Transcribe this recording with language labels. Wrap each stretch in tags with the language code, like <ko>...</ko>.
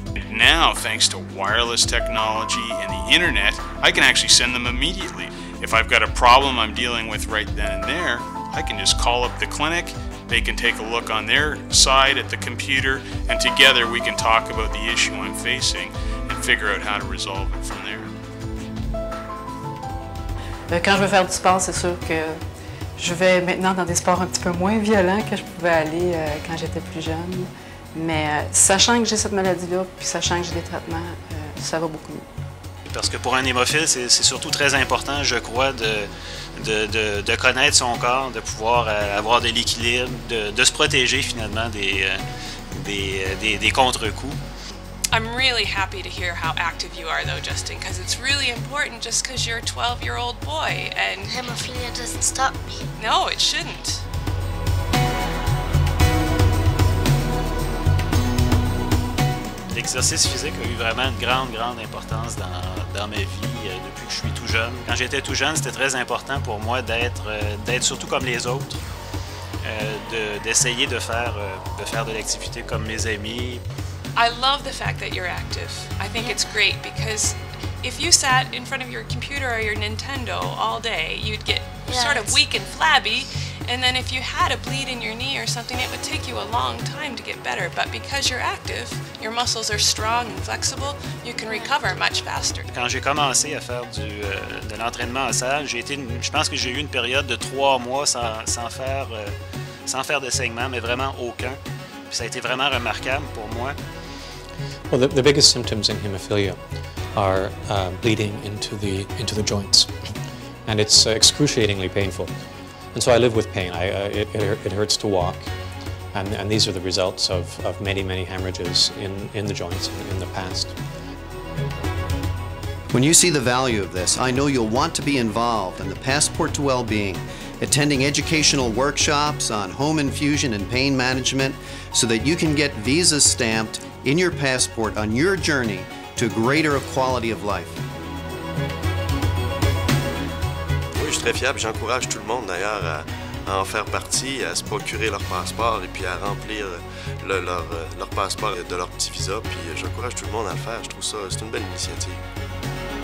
<en>Now, thanks to wireless technology and the internet, I can actually send them immediately. If I've got a problem I'm dealing with right then and there, I can just call up the clinic, they can take a look on their side at the computer, and together we can talk about the issue I'm facing and figure out how to resolve it from there.</en> <fr>Quand je veux faire du sport, c'est sûr que je vais maintenant dans des sports un petit peu moins violents que je pouvais aller quand j'étais plus jeune. Mais sachant que j'ai cette maladie-là, puis sachant que j'ai des traitements, ça va beaucoup mieux. Parce que pour un hémophile, c'est surtout très important, je crois, de connaître son corps, de pouvoir avoir de l'équilibre, de se protéger finalement des contre-coups.</fr> <en>I'm really happy to hear how active you are though, Justin, because it's really important just because you're a 12-year-old boy and hemophilia doesn't stop me. No, it shouldn't.</en> <fr>L'exercice physique a eu vraiment une grande, grande importance dans ma vie depuis que je suis tout jeune. Quand j'étais tout jeune, c'était très important pour moi d'être surtout comme les autres, d'essayer de faire de l'activité comme mes amis.</fr> <en>I love the fact that you're active. I think it's great because if you sat in front of your computer or your Nintendo all day, you'd get sort of weak and flabby. And then if you had a bleed in your knee or something, it would take you a long time to get better. But because you're active, your muscles are strong and flexible, you can recover much faster.</en> <fr>Quand j'ai commencé à faire de l'entraînement en salle, j'ai eu une période de 3 mois sans faire de saignement, mais vraiment aucun. Puis ça a été vraiment remarquable pour moi.</fr> <en>Well, the biggest symptoms in hemophilia are bleeding into the joints, and it's excruciatingly painful. And so I live with pain. It hurts to walk, and these are the results of many, many hemorrhages in the joints in the past. When you see the value of this, I know you'll want to be involved in the Passport to Well-Being, attending educational workshops on home infusion and pain management so that you can get visas stamped in your passport on your journey to greater quality of life.</en> <fr>Très fiable. J'encourage tout le monde d'ailleurs à en faire partie, à se procurer leur passeport et puis à remplir leur passeport de leur petit visa. Puis j'encourage tout le monde à le faire. Je trouve ça, c'est une belle initiative.</fr>